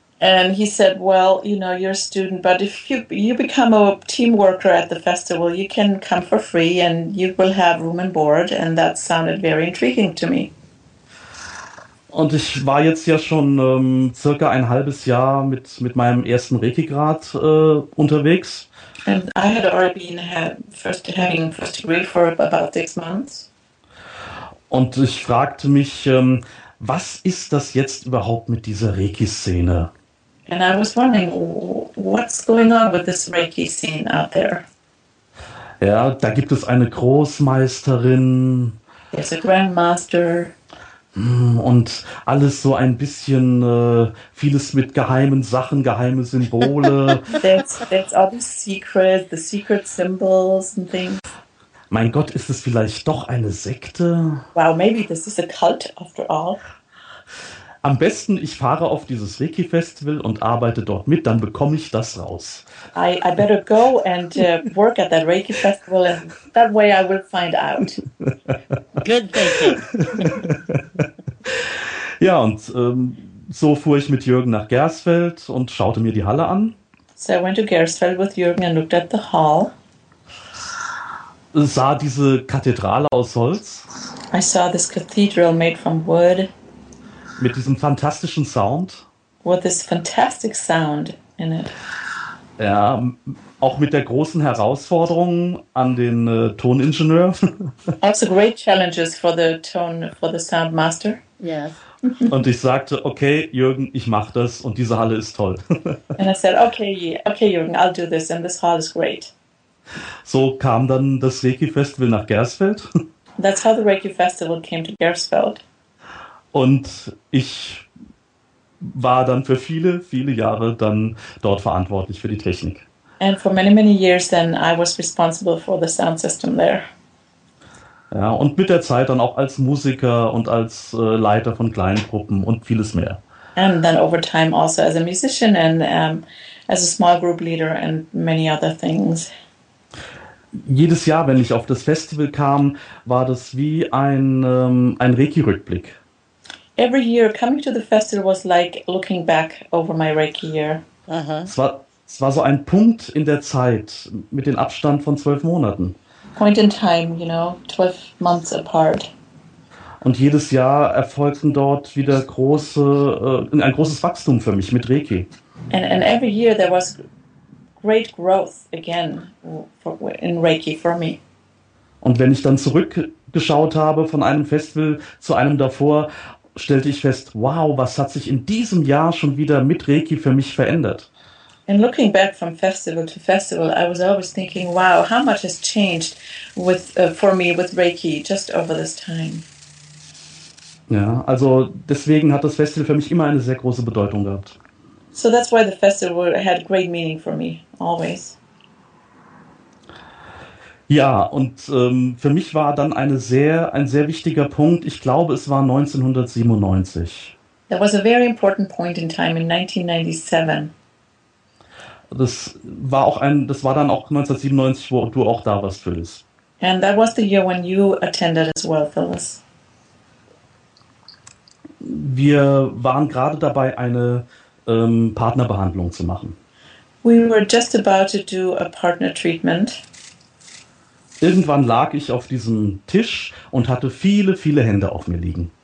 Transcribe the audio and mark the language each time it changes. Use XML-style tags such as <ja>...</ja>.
<en>And he said, well, you know, you're a student, but if you become a team worker at the festival, you can come for free and you will have room and board. And that sounded very intriguing to me.</en> <de>Und ich war jetzt ja schon circa ein halbes Jahr mit meinem ersten Reiki-Grad unterwegs.</de> <en>And I had already been having first degree for about 6 months.</en> <de>Und ich fragte mich, was ist das jetzt überhaupt mit dieser Reiki-Szene?</de> <en>And I was wondering, what's going on with this Reiki scene out there?</en> <de>Ja, da gibt es eine Großmeisterin.</de> <en>There's a Grandmaster.</en> <de>Und alles so ein bisschen, vieles mit geheimen Sachen, geheime Symbole.</de> <en>That's all the secret symbols and things.</en> <de>Mein Gott, ist es vielleicht doch eine Sekte?</de> <en>Wow, maybe this is a cult after all.</en> <de>Am besten, ich fahre auf dieses Reiki-Festival und arbeite dort mit, dann bekomme ich das raus.</de> <en>I better go and work at that Reiki-Festival and that way I will find out. Good thinking.</en> <de>Ja, und so fuhr ich mit Jürgen nach Gersfeld und schaute mir die Halle an.</de> <en>So I went to Gersfeld with Jürgen and looked at the hall.</en> <de>Sah diese Kathedrale aus Holz.</de> <en>I saw this cathedral made from wood.</en> <de>Mit diesem fantastischen Sound.</de> <en>With this fantastic sound in it.</en> <de>Ja, auch mit der großen Herausforderung an den Toningenieur.</de> <en>Also great challenges for the tone, for the sound master. Yes.</en> <de>Und ich sagte, okay, Jürgen, ich mach das und diese Halle ist toll.</de> <en>And I said, okay, Jürgen, I'll do this and this hall is great.</en> <de>So kam dann das Reiki-Festival nach Gersfeld.</de> <en>That's how the Reiki-Festival came to Gersfeld.</en> <de>Und ich war dann für viele, viele Jahre dann dort verantwortlich für die Technik.</de> <en>And for many, many years then I was responsible for the sound system there.</en> <de>Ja, und mit der Zeit dann auch als Musiker und als Leiter von kleinen Gruppen und vieles mehr.</de> <en>And then over time also as a musician and as a small group leader and many other things.</en> <de>Jedes Jahr, wenn ich auf das Festival kam, war das wie ein Reiki-Rückblick.</de> <en>Every year coming to the festival was like looking back over my Reiki year.</en> <de>Es war so ein Punkt in der Zeit mit dem Abstand von 12 Monaten.</de> <en>Point in time, you know, 12 months apart.</en> <de>Und jedes Jahr erfolgten dort wieder ein großes Wachstum für mich mit Reiki.</de> <en>And every year there was great growth again in Reiki for me.</en> <de>Und wenn ich dann zurückgeschaut habe von einem Festival zu einem davor, stellte ich fest, wow, was hat sich in diesem Jahr schon wieder mit Reiki für mich verändert?</de> <en>And looking back from festival to festival, I was always thinking, wow, how much has changed for me with Reiki just over this time.</en> <de>Ja, also deswegen hat das Festival für mich immer eine sehr große Bedeutung gehabt.</de> <en>So that's why the festival had great meaning for me, always.</en> <de>Ja, und für mich war dann ein sehr wichtiger Punkt, ich glaube, es war 1997.</de> <en>That was a very important point in time in 1997.</en> <de>Das war dann auch 1997, wo du auch da warst, Phyllis.</de> <en>And that was the year when you attended as well, Phyllis.</en> <de>Wir waren gerade dabei, eine Partnerbehandlung zu machen.</de> <en>We were just about to do a partner treatment.</en> <de>Irgendwann lag ich auf diesem Tisch und hatte viele, viele Hände auf mir liegen.</de>